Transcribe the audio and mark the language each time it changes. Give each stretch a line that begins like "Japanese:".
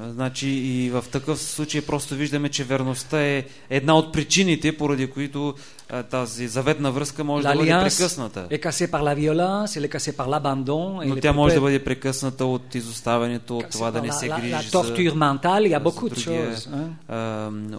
Bulgarian: Значи и в такъв случай просто виждаме, че верността е една от причините, поради които тази заветна връзка може да бъде прекъсната.
French: Est cassée par la violence, elle est cassée par l'abandon.
Bulgarian: Но тя може да бъде прекъсната от изоставянето, от това да не се грижи за
French: torture mentale, il y a beaucoup de choses.